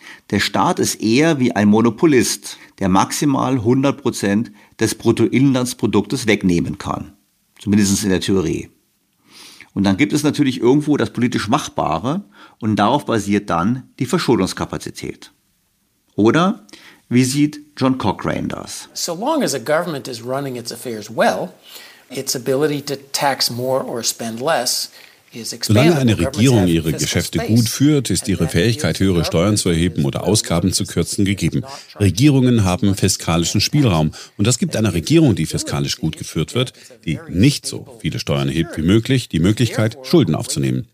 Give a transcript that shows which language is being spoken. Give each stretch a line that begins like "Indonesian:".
German: Der Staat ist eher wie ein Monopolist, der maximal 100% des Bruttoinlandsproduktes wegnehmen kann. Zumindest in der Theorie. Und dann gibt es natürlich irgendwo das politisch Machbare und darauf basiert dann die Verschuldungskapazität. Oder wie sieht John Cochrane das?
English: So long as a government is running its affairs well, its ability to tax more or spend less.
German: Solange eine Regierung ihre Geschäfte gut führt, ist ihre Fähigkeit, höhere Steuern zu erheben oder Ausgaben zu kürzen, gegeben. Regierungen haben fiskalischen Spielraum. Und das gibt einer Regierung, die fiskalisch gut geführt wird, die nicht so viele Steuern erhebt wie möglich, die Möglichkeit, Schulden aufzunehmen.